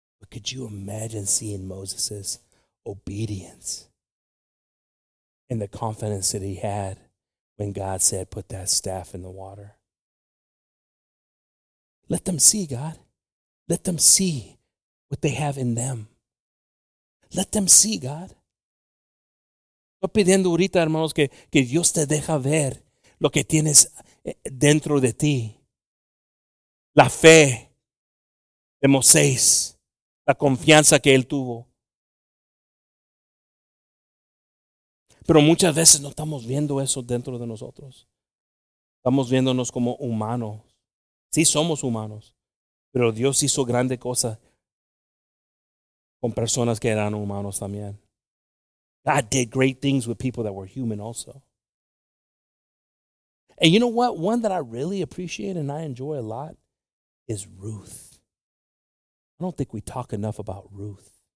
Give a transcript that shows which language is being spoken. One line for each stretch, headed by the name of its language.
English: Could you imagine seeing Moses' obedience and the confidence that he had when God said, put that staff in the water? Let them see, God. Let them see what they have in them. Let them see, God.
Spanish: Estoy pidiendo ahorita, hermanos, que Dios te deja ver lo que tienes dentro de ti. La fe de Moisés, la confianza que él tuvo. Pero muchas veces no estamos viendo eso dentro de nosotros. Estamos viéndonos como humanos. Sí somos humanos, pero Dios hizo grandes cosas con personas que eran humanos también.
English: God did great things with people that were human also. And you know what? One that I really appreciate and I enjoy a lot is Ruth. I don't think we talk enough about Ruth.